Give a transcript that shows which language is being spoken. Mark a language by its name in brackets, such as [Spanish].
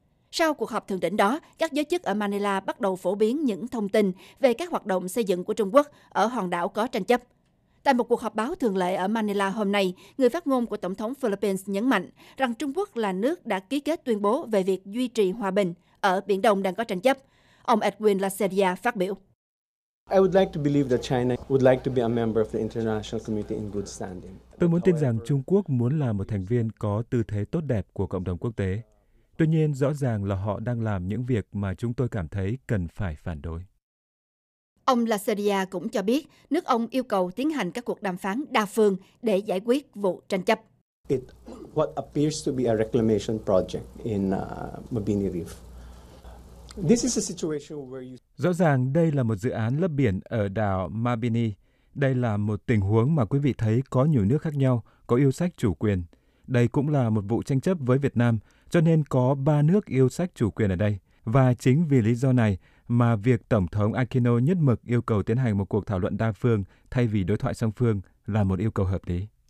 [Vietnamese] Sau cuộc họp thượng đỉnh đó, các giới chức ở Manila bắt đầu phổ biến những thông tin về các hoạt động xây dựng của Trung Quốc ở hòn đảo có tranh chấp. Tại một cuộc họp báo thường lệ ở Manila hôm nay, người phát ngôn của Tổng thống Philippines nhấn mạnh rằng Trung Quốc là nước đã ký kết tuyên bố về việc duy trì hòa bình ở Biển Đông đang có tranh chấp. Ông Edwin Lacerda phát biểu. [English] I would like to believe that China would like to be a member of the international community in good standing. [Vietnamese] Tôi muốn tin rằng Trung Quốc muốn là một thành viên có tư thế tốt đẹp của cộng đồng quốc tế. Tuy nhiên, rõ ràng là họ đang làm những việc mà chúng tôi cảm thấy cần phải phản đối. Ông Lacerda cũng cho biết nước ông yêu cầu tiến hành các cuộc đàm phán đa phương để giải quyết vụ tranh chấp. [English] What appears to be a reclamation project in Mabini Reef. This is a situation where you. [Vietnamese] Rõ ràng đây là một dự án lấp biển ở đảo Mabini. Đây là một tình huống mà quý vị thấy có nhiều nước khác nhau có yêu sách chủ quyền. Đây cũng là một vụ tranh chấp với Việt Nam, cho nên có ba nước yêu sách chủ quyền ở đây. Và chính vì lý do này mà việc Tổng thống Aquino nhất mực yêu cầu tiến hành một cuộc thảo luận đa phương thay vì đối thoại song phương là một yêu cầu hợp lý.